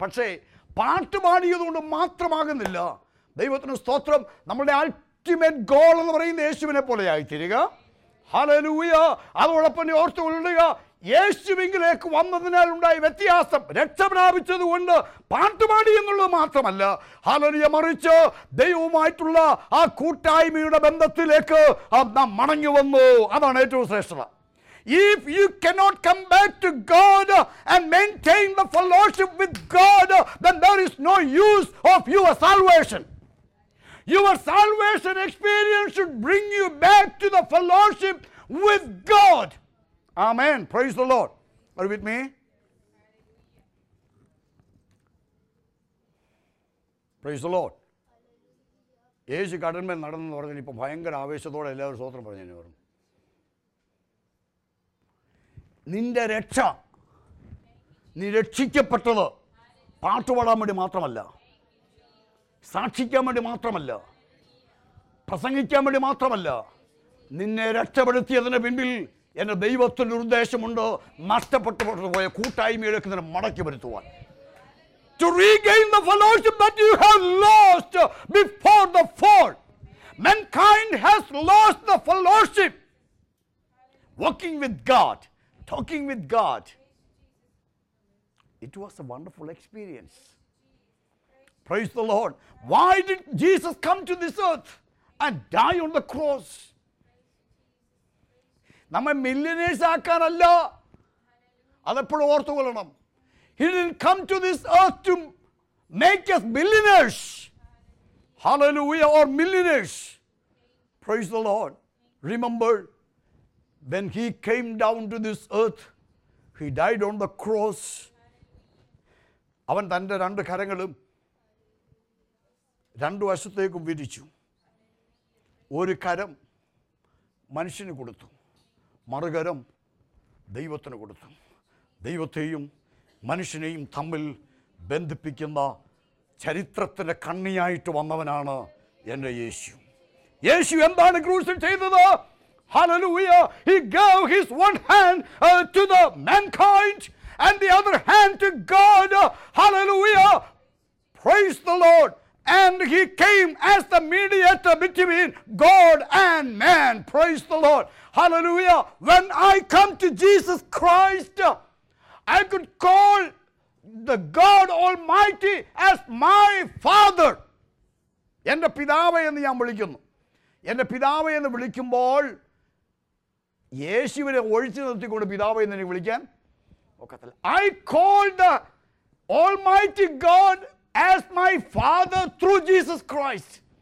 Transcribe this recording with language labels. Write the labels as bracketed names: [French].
[Malayalam] പക്ഷേ പാട്ട് പാടിയതുകൊണ്ട് മാത്രമാകുന്നില്ല, ദൈവത്തിന് സ്തോത്രം, നമ്മളുടെ അൾട്ടിമേറ്റ് ഗോൾ എന്ന് പറയുന്ന യേശുവിനെ പോലെയായി തീരുക. ഹല്ലേലൂയ. അതോടൊപ്പം ഓർത്തു കൊള്ളുക, യേശുവിങ്കിലേക്ക് വന്നതിനാൽ ഉണ്ടായ വ്യത്യാസം, രക്ഷ പ്രാപിച്ചത് കൊണ്ട് പാട്ടുപാടി എന്നുള്ളത് മാത്രമല്ല, ഹല്ലേലൂയ, മറിച്ച് ദൈവവുമായിട്ടുള്ള ആ കൂട്ടായ്മയുടെ ബന്ധത്തിലേക്ക് നാം മടങ്ങി വന്നു. അതാണ് ഏറ്റവും ശ്രേഷ്ഠത. [English] If you cannot come back to God and maintain the fellowship with God, then there is no use of your salvation. Your salvation experience should bring you back to the fellowship with God. Amen. Praise the Lord. Are you with me? Praise the Lord. [Malayalam] Yesu kadanmel nadannu parayan ippa bhayangara aaveshathode ellavaru sothram parayan varu. നിൻ്റെ രക്ഷ, നീ രക്ഷിക്കപ്പെട്ടത് പാട്ടുപാടാൻ വേണ്ടി മാത്രമല്ല, സാക്ഷിക്കാൻ വേണ്ടി മാത്രമല്ല, പ്രസംഗിക്കാൻ വേണ്ടി മാത്രമല്ല, നിന്നെ രക്ഷപ്പെടുത്തിയതിന് പിന്നിൽ എൻ്റെ ദൈവത്തിൻ്റെ ഉദ്ദേശമുണ്ട്. നഷ്ടപ്പെട്ടു പോയ കൂട്ടായ്മയിലേക്ക് നിന്നെ മടക്കി വരുത്തുവാൻ. [English] To regain the fellowship that you have lost before the fall. Mankind has lost the fellowship working with God. Talking with God, it was a wonderful experience. Praise the Lord. Why did Jesus come to this earth and die on the cross? [Malayalam] Namme millionaires aakkanalla, adeppol orthu kollanam. [English] He didn't come to this earth to make us millionaires. Hallelujah, or millionaires. Praise the Lord. Remember, when he came down to this earth, he died on the cross. [Malayalam] അവൻ തൻ്റെ രണ്ട് കരങ്ങളും രണ്ടു വശത്തേക്കും വിരിച്ചു. ഒരു കരം മനുഷ്യന് കൊടുത്തു, മറുകരം ദൈവത്തിന് കൊടുത്തു. ദൈവത്തെയും മനുഷ്യനെയും തമ്മിൽ ബന്ധിപ്പിക്കുന്ന ചരിത്രത്തിൻ്റെ കണ്ണിയായിട്ട് വന്നവനാണ് എൻ്റെ യേശു. യേശു എന്താണ് ക്രൂശിൽ ചെയ്തത്? [English] Hallelujah, he gave his one hand to the mankind and the other hand to God. Hallelujah, praise the Lord. And he came as the mediator between God and man. Praise the Lord. Hallelujah, when I come to Jesus Christ, I could call the God Almighty as my Father. [Malayalam] എൻ്റെ പിതാവേ എന്ന് ഞാൻ വിളിക്കുന്നു. എൻ്റെ പിതാവേ എന്ന് വിളിക്കുമ്പോൾ യേശുവിനെ ഒഴിച്ചു നിർത്തിക്കൊണ്ട് പിതാവ് എന്ന് എനിക്ക് വിളിക്കാൻ ഒക്കത്തില്ല. [English] I call the almighty God as my father through Jesus Christ.